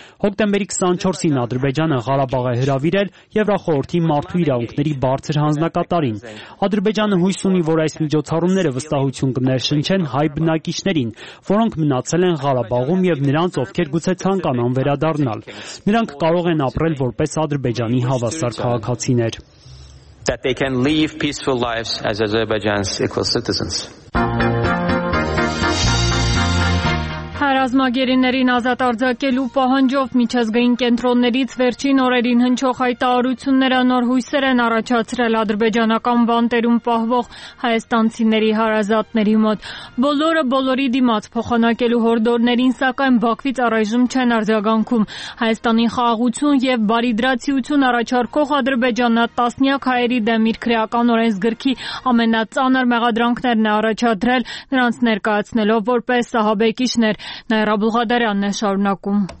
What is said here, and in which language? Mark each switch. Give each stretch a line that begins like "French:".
Armenian: Հոկտեմբերի 24-ին Ադրբեջանը Ղարաբաղ է հրավիրել Եվրախորհրդի մարդու իրավունքների բարձր հանձնակատարին։ Ադրբեջանը հույս ունի, որ այս միջոցառումները վստահություն կներշնչեն հայ բնակիչներին, որոնք մնացել են Ղարաբաղում և նրանց, ովքեր գուցե ցանկանան վերադառնալ։ Նրանք կարող են ապրել որպես Ադրբեջանի հավասար քաղաքացիներ,
English: that they can live peaceful lives as Azerbaijan's equal citizens.
Armenian: Ռազմագերիներին ազատ արձակելու պահանջով միջազգային կենտրոններից վերջին օրերին հնչող հայտարարությունները նոր հույսեր են առաջացրել ադրբեջանական բանտերում պահվող հայաստանցիների հարազատների մոտ։ Բոլորը բոլորի դիմաց փոխանակելու հորդորներին, սակայն Բաքվից առայժմ չեն արձագանքում։ Հայաստանի խաղաղություն և բարիդրացիություն առաջարկող Ադրբեջանը տասնյակ հայերի դեմ իր քրեական օրենսգրքի ամենածանր մեղադրանքներն է առաջադրել, նրանց ներկայացնելով որպես սահաբեկիչներ։ Նաիրա Բուլղադարյանն է շարունակում։